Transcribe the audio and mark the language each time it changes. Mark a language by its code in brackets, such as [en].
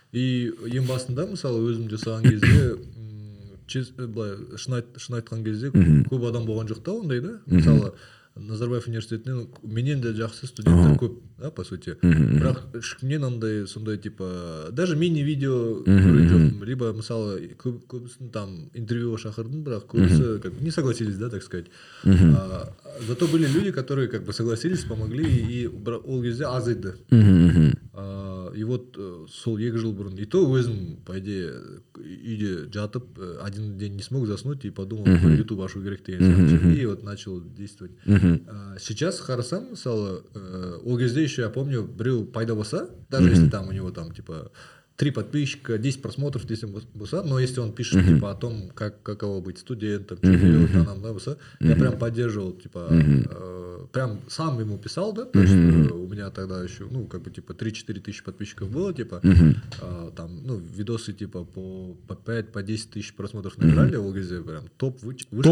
[kk] И ең басында, мысалы, өзімде саған кезде, шын айтқан кезде, көп адам болған жоқта ондай, да? Мысалы, Назарбаев университетінен менен де жақсы студенттер көп, да, по сути. Бірақ ішкімнен андай сондай, типа, даже мини-видео көрген жоқ, либо мысалы көбісін там интервьюға шақырдым, бірақ көбісі [ru] как не согласились, да, так сказать. Зато были люди, которые как бы согласились, помогли, и [kk] ол кезде азайды. И вот сол 2 жыл бұрын, и то өзім, по идее, үйде жатып, [ru] один день не смог заснуть и подумал, что YouTube [kk] ашу керек деген сияқты. [ru] И вот начал действовать. Сейчас харасам, мысалы, ол кезде еще, я помню, [kk] біреу пайда болса, [ru] даже если там у него там, типа, 3 подписчика, 10 просмотров, если босса, но если он пишет типа о том, как каково быть студентом, что делать, да, босса, я прям поддерживал, типа, прям сам ему писал, да, то есть у меня тогда еще, ну, как бы, типа, 3-4 тысячи подписчиков было, типа, там, ну, видосы, типа, по 5, по 10 тысяч просмотров набирали, в ОГЗ, прям, топ вышка,